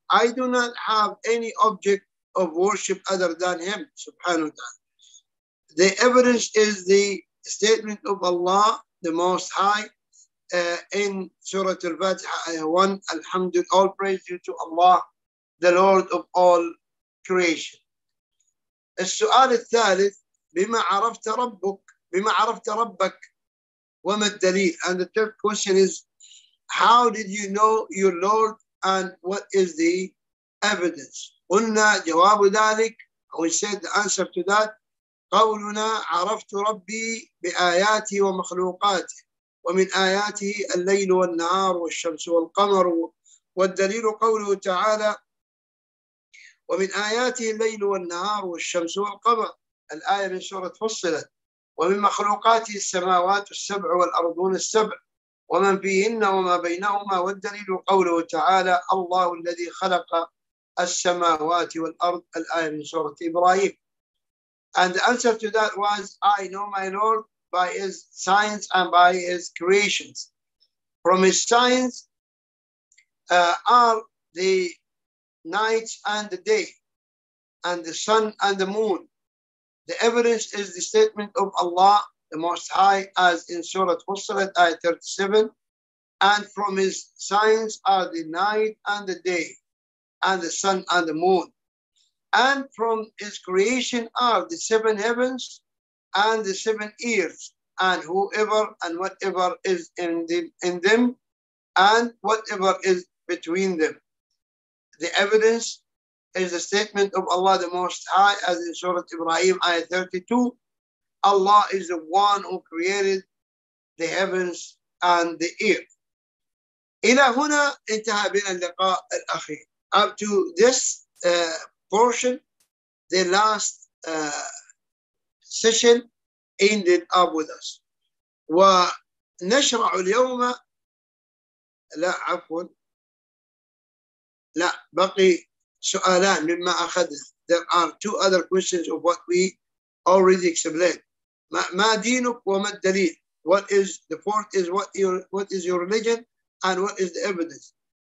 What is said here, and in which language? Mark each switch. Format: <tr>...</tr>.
<en>I do not have any object of worship other than him, subhanahu wa ta'ala. The evidence is the statement of Allah, the Most High, in Surah Al-Fatiha, ayah 1, Alhamdulillah, all praise due to Allah, the Lord of all creation.</en> <ar>السؤال الثالث, بما عرفت ربك, بما عرفت ربك, وما الدليل?</ar> <en>And the third question is, how did you know your Lord and what is the evidence?</en> <ar>قلنا جواب ذلك,</ar> <en>we said the answer to that,</en> <ar>قولنا عرفت ربي بآياته ومخلوقاته ومن آياته الليل والنهار والشمس والقمر. والدليل قوله تعالى ومن آياته الليل والنهار والشمس والقمر, الآية من سورة فصلت. ومن مخلوقاته السماوات السبع والأرضون السبع ومن فيهن وما بينهما. والدليل قوله تعالى الله الذي خلق السماوات والأرض, الآية من سورة إبراهيم.</ar> <en>And the answer to that was, I know my Lord by his signs and by his creations. From his signs are the night and the day, and the sun and the moon. The evidence is the statement of Allah, the Most High, as in Surah Fussilat, ayah 37. And from his signs are the night and the day, and the sun and the moon. And from his creation are the seven heavens and the seven ears, and whoever and whatever is in them, and whatever is between them. The evidence is the statement of Allah the Most High, as in Surah Ibrahim, ayah 32. Allah is the one who created the heavens and the earth.</en> <ar>إلى هنا انتهى بنا اللقاء الأخير.</ar> <en>Up to this portion, the last session ended up with us.</en> <ar>ونشرع اليوم لا عفوا لا بقي سؤالان مما أخذنا.</ar> <en>There are two other questions of what we already explained.</en> <ar>ما دينك وما الدليل.</ar> <en>What is the fourth is what is your religion and what is the evidence.</en>